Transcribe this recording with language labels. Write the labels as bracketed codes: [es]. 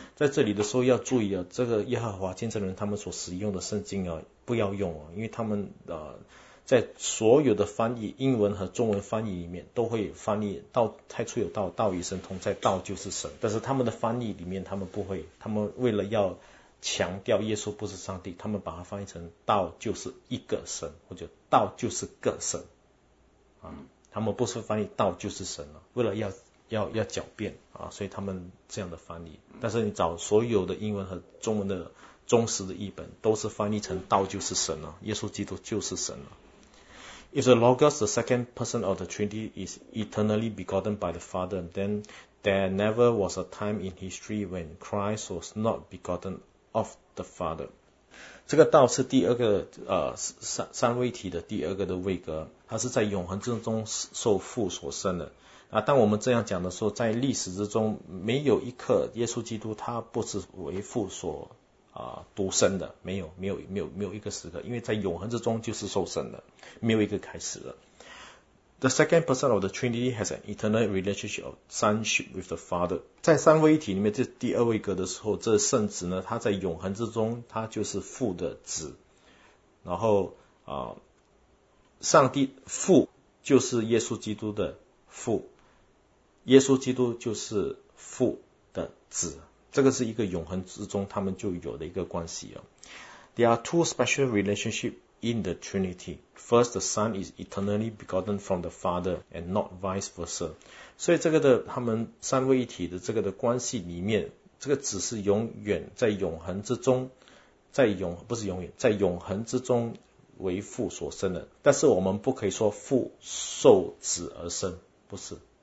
[zh] 在这里的时候要注意啊，这个耶和华见证人他们所使用的圣经啊，不要用啊，因为他们在所有的翻译英文和中文翻译里面都会翻译道，太初有道，道与神同在，道就是神，但是他们的翻译里面他们不会，他们为了要强调耶稣不是上帝，他们把它翻译成道就是一个神，或者道就是个神啊，他们不是翻译道就是神了，为了要狡辩啊，所以他们这样的翻译。但是你找所有的英文和中文的忠实的译本，都是翻译成道就是神了，耶稣基督就是神了。 [en] If the Logos, the second person of the Trinity, is eternally begotten by the Father, then there never was a time in history when Christ was not begotten of the Father. [zh] 这个道是第二个三位体的第二个的位格，它是在永恒之中受父所生的。啊，当我们这样讲的时候，在历史之中没有一刻耶稣基督他不是为父所独生的，没有一个时刻，因为在永恒之中就是受生的，没有一个开始的。 [en] The second person of the Trinity has an eternal relationship of sonship with the Father. [zh] 在三位一体里面，这第二位格的时候，这圣子呢，他在永恒之中，他就是父的子。然后上帝父就是耶稣基督的父，耶稣基督就是父的子，这个是一个永恒之中他们就有的一个关系哦。 [en] There are two special relationships in the Trinity. First, the Son is eternally begotten from the Father, and not vice versa. [zh] 所以这个的他们三位一体的这个的关系里面，这个子是永远在永恒之中，在永恒之中为父所生的。但是我们不可以说父受子而生，不是。